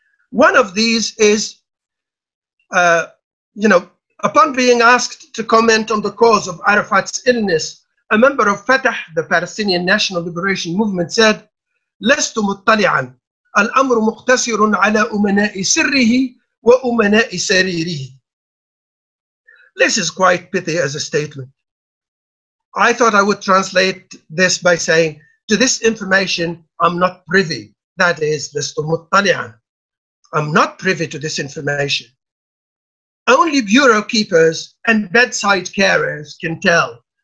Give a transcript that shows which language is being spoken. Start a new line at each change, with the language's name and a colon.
English: One of these is, you know, upon being asked to comment on the cause of Arafat's illness, a member of Fatah, the Palestinian National Liberation Movement, said,
Arabic: لست مطلعاً. الأمر مقتصر على أمناء سره وأمناء سريره.
English: This is quite pithy as a statement. I thought I would translate this by saying, to this information, I'm not privy. That is,
Arabic: لست مطلعاً.
English: I'm not privy to this information. Only bureau keepers and bedside carers can tell.